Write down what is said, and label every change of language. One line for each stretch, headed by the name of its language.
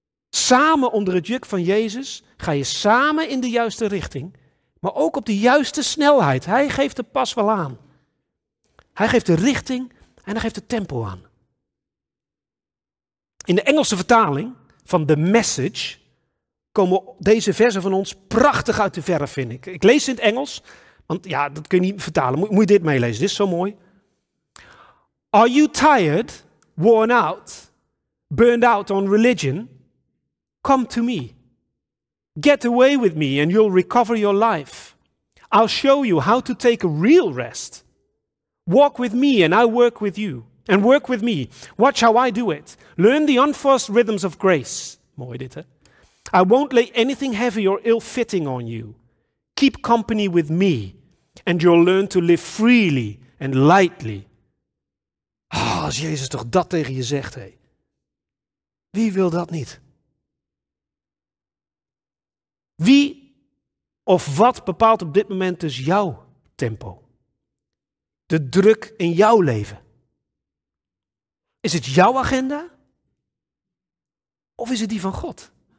Dutch: Samen onder het juk van Jezus ga je samen in de juiste richting, maar ook op de juiste snelheid. Hij geeft de pas wel aan. Hij geeft de richting, En hij geeft het tempo aan. In de Engelse vertaling van The Message komen deze versen van ons prachtig uit de verf, vind ik. Ik lees het in het Engels, want ja, dat kun je niet vertalen. Moet je dit meelezen, dit is zo mooi.
English: Are you tired, worn out, burned out on religion? Come to me. Get away with me and you'll recover your life. I'll show you how to take a real rest. Walk with me and I work with you. And work with me. Watch how I do it. Learn the unforced rhythms of grace.
Dutch: Mooi dit, hè?
English: I won't lay anything heavy or ill-fitting on you. Keep company with me. And you'll learn to live freely and lightly.
Dutch: Oh, als Jezus toch dat tegen je zegt, hé. Wie wil dat niet? Wie of wat bepaalt op dit moment dus jouw tempo? De druk in jouw leven? Is het jouw agenda? Of is het die van God?